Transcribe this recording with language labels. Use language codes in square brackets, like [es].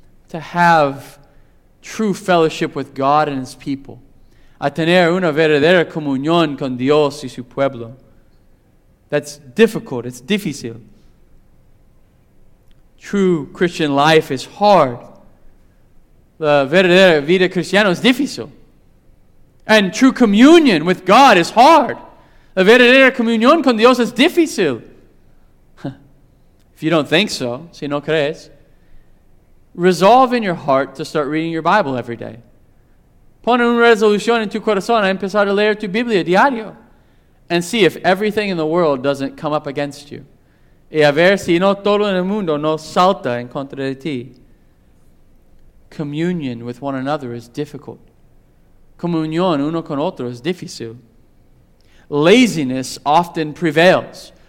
[en] To have true fellowship with God and his people. [es] A tener una verdadera comunión con Dios y su pueblo. [en] That's difficult. It's difícil. True Christian life is hard. [es] La verdadera vida cristiana es difícil. [en] And true communion with God is hard. [es] La verdadera comunión con Dios es difícil. [en] If you don't think so, [es] si no crees, [en] resolve in your heart to start reading your Bible every day. [es] Pon una resolución en tu corazón a empezar a leer tu Biblia diario. [en] And see if everything in the world doesn't come up against you. [es] Y a ver si no todo en el mundo no salta en contra de ti. [en] Communion with one another is difficult. [es] Comunión uno con otro es difícil. [en] Laziness often prevails.